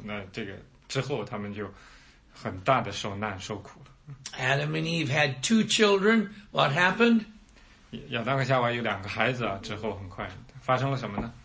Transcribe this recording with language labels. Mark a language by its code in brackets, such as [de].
[zh] 那这个之后，他们就很大的受难受苦了。 [en] Adam and Eve had 2 children. What happened? [zh] 亚当和夏娃有2个孩子啊。之后很快发生了什么呢